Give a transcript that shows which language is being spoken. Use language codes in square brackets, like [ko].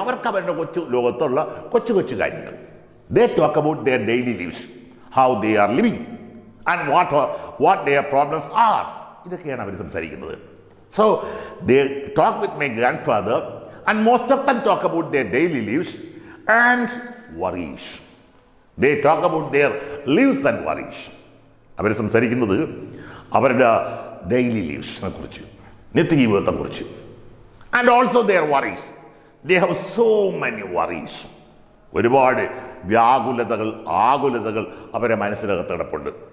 [ml] അവർക്ക് അവരുടെ കൊച്ചു ലോകത്തുള്ള കൊച്ചു കൊച്ചു കാര്യങ്ങൾ, [en] they talk about their daily lives, how they are living and what their problems are, [ml] ഇതൊക്കെയാണ് അവർ സംസാരിക്കുന്നത്. [en] So they talk with my grandfather and most of them talk about their daily lives and worries. They talk about their lives and worries. [ml] അവര് സംസാരിക്കുന്നത് അവരുടെ daily ലീവ്സിനെ കുറിച്ച്, നിത്യജീവിതത്തെ കുറിച്ച്. [en] And also their worries, they have so many worries. [ml] ഒരുപാട് വ്യാകുലതകൾ, ആകുലതകൾ അവരെ മനസ്സിലകത്ത് കിടപ്പുണ്ട്.